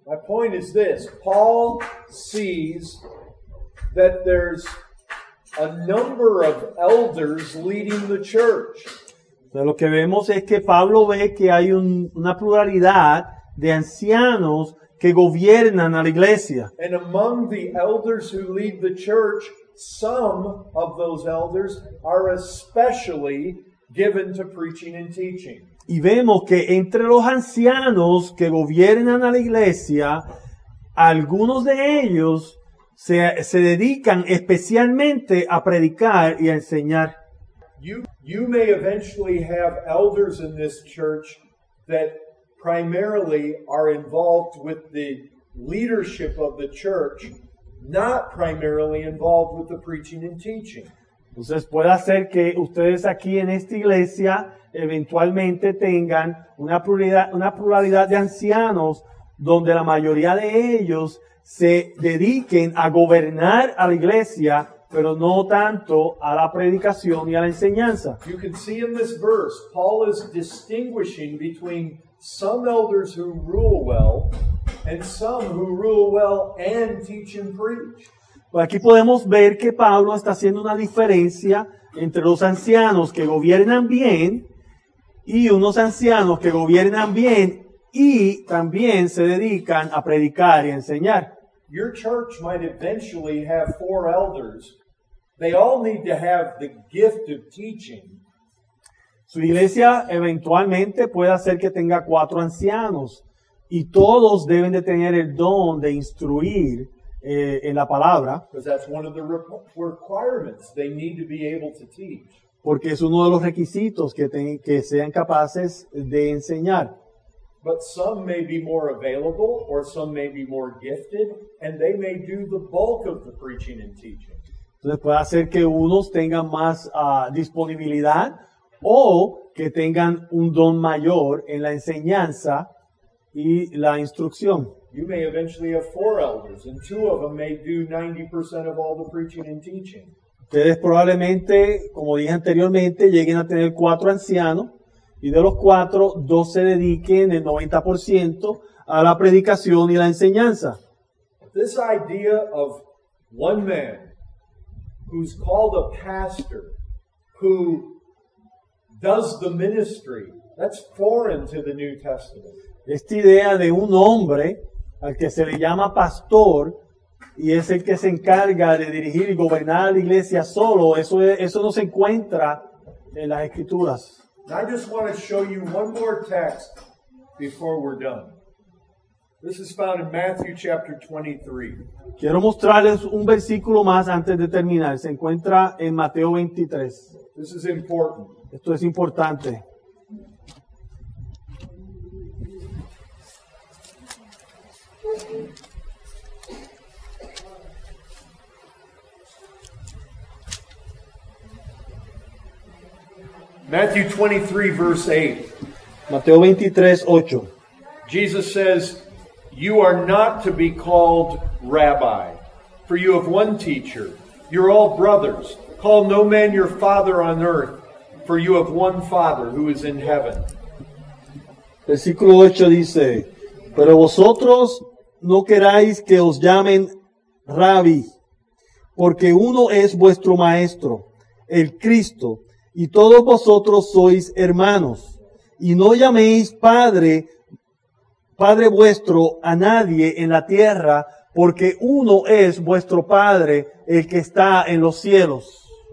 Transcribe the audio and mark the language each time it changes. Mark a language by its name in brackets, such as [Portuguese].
[English] My point is this. Paul sees that there's a number of elders leading the church. [Spanish] De lo que vemos es que Pablo ve que hay una pluralidad de ancianos que gobiernan a la iglesia. [English] And among the elders who lead the church, some of those elders are especially given to preaching and teaching. [Spanish] Y vemos que entre los ancianos que gobiernan a la iglesia, algunos de ellos se dedican especialmente a predicar y a enseñar. [English] You may eventually have elders in this church that primarily are involved with the leadership of the church, not primarily involved with the preaching and teaching. [Spanish] Entonces puede ser que ustedes aquí en esta iglesia eventualmente tengan una pluralidad de ancianos donde la mayoría de ellos se dediquen a gobernar a la iglesia, pero no tanto a la predicación y a la enseñanza. [English] You can see in this verse, Paul is distinguishing between some elders who rule well and some who rule well and teach and preach. [Spanish] Aquí podemos ver que Pablo está haciendo una diferencia entre los ancianos que gobiernan bien y unos ancianos que gobiernan bien y también se dedican a predicar y a enseñar. [English] Your church might eventually have four elders. They all need to have the gift of teaching. [Spanish] Su iglesia eventualmente puede hacer que tenga cuatro ancianos y todos deben de tener el don de instruir en la palabra. [English] Because that's one of the requirements. They need to be able to teach. [Spanish] Porque es uno de los requisitos que sean capaces de enseñar. [English] But some may be more available or some may be more gifted and they may do the bulk of the preaching and teaching. [Spanish] Entonces puede hacer que unos tengan más disponibilidad o que tengan un don mayor en la enseñanza y la instrucción. [English] You may eventually have four elders and two of them may do 90% of all the preaching and teaching. [Spanish] Ustedes probablemente, como dije anteriormente, lleguen a tener cuatro ancianos y de los cuatro, dos se dediquen el 90% a la predicación y la enseñanza. [English] This idea of one man who's called a pastor who does the ministry, that's foreign to the New Testament. [Spanish] Esta idea de un hombre al que se le llama pastor y es el que se encarga de dirigir y gobernar la iglesia solo, eso no se encuentra en las Escrituras. [English] I just want to show you one more text before we're done. This is found in Matthew chapter 23. [Spanish] Quiero mostrarles un versículo más antes de terminar. Se encuentra en Mateo 23. [English] This is important. [Spanish] Esto es importante. [English] Matthew 23, verse 8. [Spanish] Mateo 23, 8. [English] Jesus says, "You are not to be called rabbi, for you have one teacher, You're all brothers. Call no man your father on earth, for you have one Father who is in heaven. [Spanish] Versículo 8 dice, pero vosotros no queráis que os llamen Rabbi, porque uno es vuestro maestro, el Cristo, y todos vosotros sois hermanos. Y no llaméis padre vuestro a nadie en la tierra, porque uno es vuestro Padre, el que está en los cielos.